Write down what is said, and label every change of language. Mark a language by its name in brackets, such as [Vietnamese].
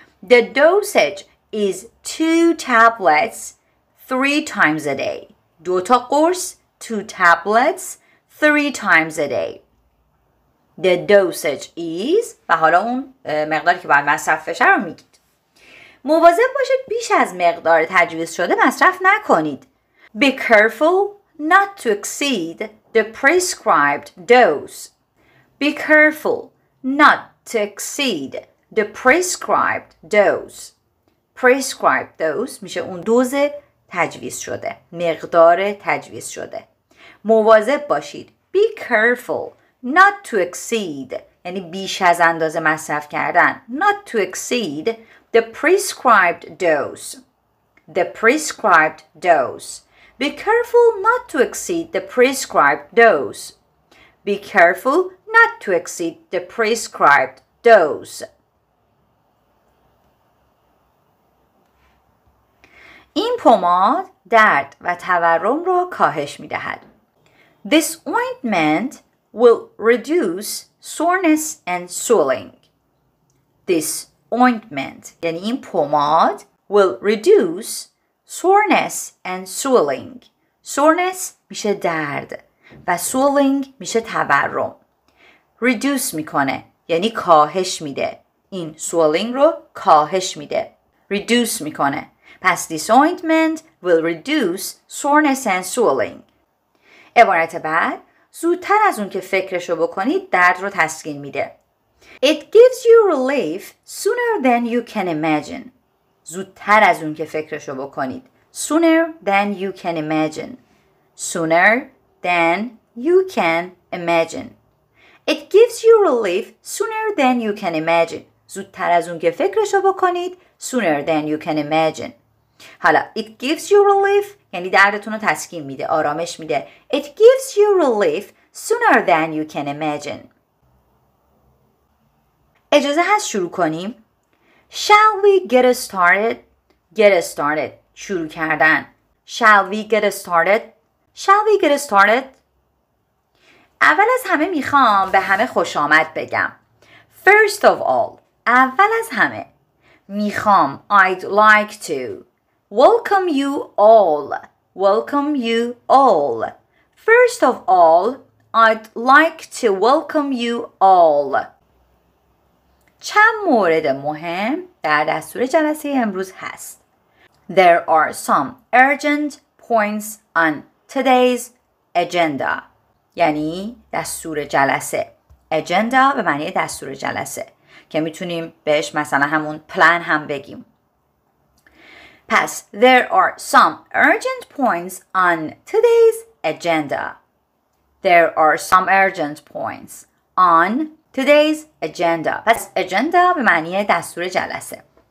[English] The dosage is 2 tablets 3 times a day. 2 [Persian] تا قرص [English] 2 tablets 3 times a day. The dosage is [Persian] و حالا اون مقداری که باید مصرف بشه رو میگید. مواظب باشید بیش از مقدار تجویز شده مصرف نکنید. [English] Be careful not to exceed the prescribed dose. Be careful not to exceed the prescribed dose. Prescribed dose [Persian] میشه اون دوز تجویز شده. مقدار تجویز شده. مواظب باشید. [English] Be careful not to exceed [Persian] یعنی بیش از اندازه مصرف کردن. [English] Not to exceed the prescribed dose. The prescribed dose. Be careful not to exceed the prescribed dose. Be careful not to exceed the prescribed dose. [Persian] این پماد درد و تورم را کاهش می دهد. [English] This ointment will reduce soreness and swelling. This ointment, [Persian] یعنی این پماد, [English] will reduce soreness and swelling. [Persian] Soreness میشه درد و swelling میشه تورم. Reduce میکنه, یعنی کاهش میده. این swelling رو کاهش میده. Reduce میکنه. [English] پس this ointment will reduce soreness and swelling. [Persian] عبارت بعد, زودتر از اون که فکرشو بکنید درد رو تسکین میده. [English] It gives you relief sooner than you can imagine. [Persian] زودتر از اون که فکرشو بکنید. [English] Sooner than you can imagine. Sooner than you can imagine. It gives you relief sooner than you can imagine. [Persian] زودتر از اون که فکرشو بکنید. [English] Sooner than you can imagine. [Persian] حالا [English] it gives you relief [Persian] یعنی دردتون رو تسکین میده، آرامش میده. [English] It gives you relief sooner than you can imagine. [Persian] اجازه هست شروع کنیم. [English] Shall we get started? Get started. [Persian] شروع کردن. [English] Shall we get started? Shall we get started? [Persian] اول از همه میخوام به همه خوش آمد بگم. [English] First of all. [Persian] اول از همه. میخوام. [English] I'd like to. Welcome you all. Welcome you all. First of all, I'd like to welcome you all. [Persian] چند مورد مهم در دستور جلسه امروز هست. [English] There are some urgent points on today's agenda. [Persian] یعنی دستور جلسه. Agenda به معنی دستور جلسه. که میتونیم بهش مثلا همون plan هم بگیم. [English] Pass. There are some urgent points on today's agenda. There are some urgent points on today's agenda. Pass. [Persian] Agenda به معنی دستور جلسه.